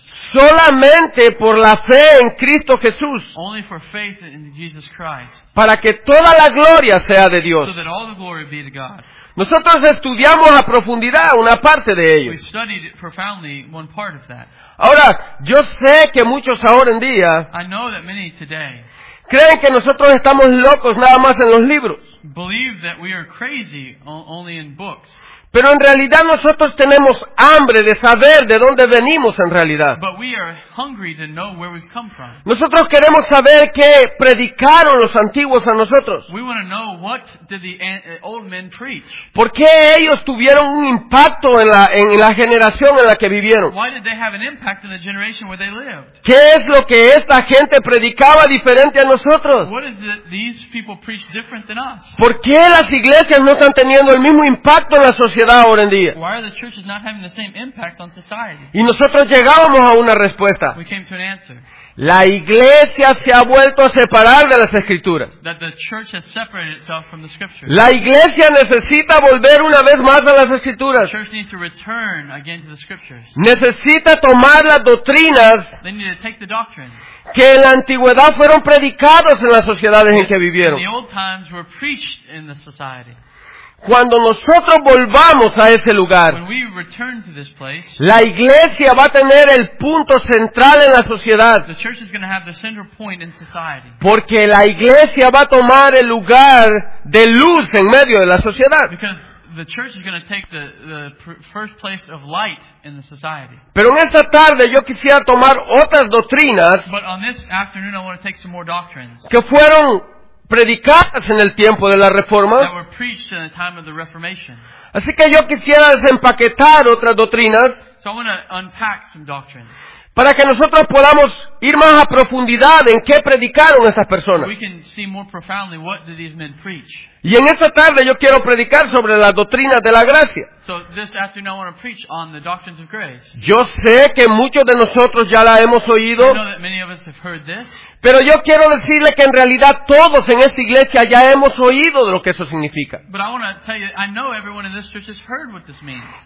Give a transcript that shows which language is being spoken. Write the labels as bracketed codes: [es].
[es] Solamente por la fe en Cristo Jesús. [en] Only for faith in Jesus Christ. [es] Para que toda la gloria sea de Dios. [en] So that all the glory be to God. [es] Nosotros estudiamos a profundidad una parte de ello. [en] We studied profoundly one part of that. [es] Ahora, yo sé que muchos ahora en día [en] I know that many today [es] creen que nosotros estamos locos nada más en los libros. [en] Believe that we are crazy only in books. [es] Pero en realidad nosotros tenemos hambre de saber de dónde venimos en realidad. [en] But we are hungry to know where we've come from. [es] Nosotros queremos saber qué predicaron los antiguos a nosotros. [en] We want to know what did the old men preach. [es] ¿Por qué ellos tuvieron un impacto en la generación en la que vivieron? [en] Why did they have an impact in the generation where they lived? [es] ¿Qué es lo que esta gente predicaba diferente a nosotros? [en] What is it these people preach different than us? [es] ¿Por qué las iglesias no están teniendo el mismo impacto en la sociedad ahora en día? [en] Why are the churches not having the same impact on society? [es] Y nosotros llegábamos a una respuesta. [en] We came to an answer. [es] La iglesia se ha vuelto a separar de las Escrituras. [en] That the church has separated itself from the Scriptures. [es] La iglesia necesita volver una vez más a las Escrituras. [en] The church needs to return again to the Scriptures. [es] Necesita tomar las doctrinas. [en] They need to take the doctrines. [es] Que en la antigüedad fueron predicados en las sociedades en que vivieron. [en] In the old times were preached in the society. [es] Cuando nosotros volvamos a ese lugar, [en] place, [es] la iglesia va a tener el punto central en la sociedad. [en] The church is going to have the center point in society. [es] Porque la iglesia va a tomar el lugar de luz en medio de la sociedad. [en] Because the church is going to take the first place of light in the society. [es] Pero en esta tarde yo quisiera tomar otras doctrinas. [en] But on this afternoon I want to take some more doctrines. [es] Que fueron predicadas en el tiempo de la Reforma. [en] That were preached in the time of the Reformation. [es] Así que yo quisiera desempaquetar otras doctrinas. [en] So I want to unpack some doctrines. [es] Para que nosotros podamos ir más a profundidad en qué predicaron estas personas. [en] We can see more profoundly what did these men preach. [es] Y en esta tarde yo quiero predicar sobre las doctrinas de la gracia. [en] So this afternoon I want to preach on the doctrines of grace. [es] Yo sé que muchos de nosotros ya la hemos oído. [en] I know that many of us have heard this. [es] Pero yo quiero decirle que en realidad todos en esta iglesia ya hemos oído de lo que eso significa. [en] But I want to tell you, I know everyone in this church has heard what this means.